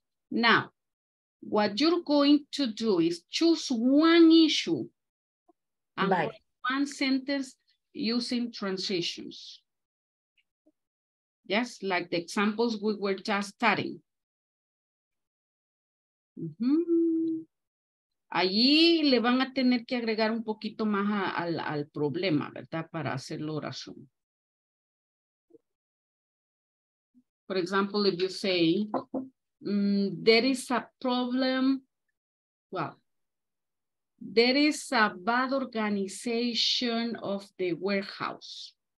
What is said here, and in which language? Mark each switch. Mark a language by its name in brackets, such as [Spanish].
[English] Now, what you're going to do is choose one issue and one sentence using transitions. Yes, like the examples we were just studying. Mm-hmm. [Spanish] Allí le van a tener que agregar un poquito más al problema, ¿verdad? Para hacer la oración. [English] For example, if you say, there is a problem. Well, there is a bad organization of the warehouse.